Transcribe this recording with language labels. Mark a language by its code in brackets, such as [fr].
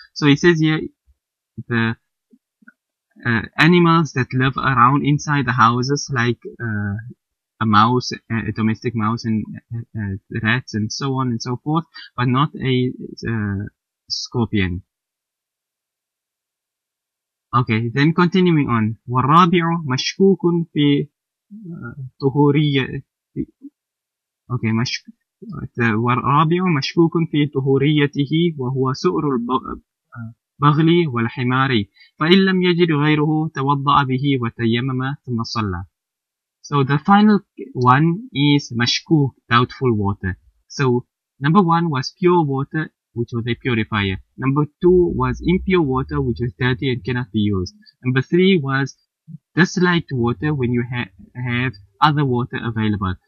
[en] So it says here, the animals that live around inside the houses, like a mouse, a domestic mouse, and rats, and so on and so forth, but not a scorpion. Okay, then continuing on. [ar] وَالرَّابِعُ مَشْكُوكٌ فِي طُهُورِيَّةِ. [en] Okay, [ar] والرابع مشكوك في طهوريته وهو سؤر البغل والحمار، فإن لم يجد غيره توضأ به وتيمم ثم صلى. [en] So the final one is مشكوك, doubtful water. So number one was pure water, which was a purifier. Number two was impure water, which was dirty and cannot be used. Number three was disliked water when you have other water available.